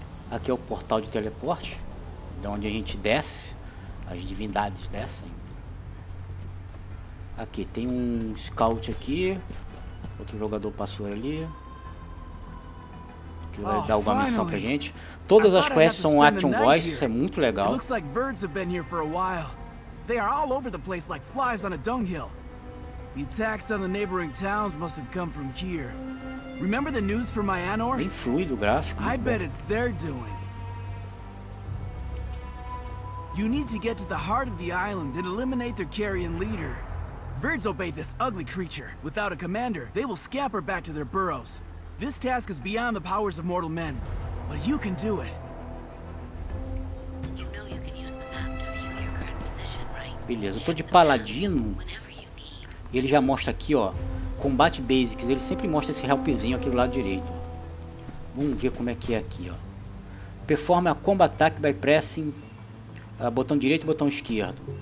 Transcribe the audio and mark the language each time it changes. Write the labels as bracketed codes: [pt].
[pt] Aqui é o portal de teleporte, de onde a gente desce, as divindades descem. Aqui tem um scout aqui, outro jogador passou ali. Que vai dar alguma missão pra gente. Todas as quests são Action Voice, isso é muito legal. Parece que os [en] birds have been here for a while. They are all over the place like flies on a dunghill. The attacks on the neighboring towns must have come from here. Remember the news from my Anor? [pt] Bem fluido o gráfico. [en] I bet it's their doing. You need to get to the heart of the island and eliminate their carrion leader. Verds obey this ugly creature. Without a commander, they will scamper back to their burrows. This task is beyond the powers of mortal men, but you can do it. You know you can use the map to view your current position, right? [pt] Beleza, eu tô de paladino. E ele já mostra aqui, ó, combate basics, ele sempre mostra esse helpzinho aqui do lado direito. Vamos ver como é que é aqui, ó. Performa [en] a combat attack by pressing [pt] botão direito e botão esquerdo.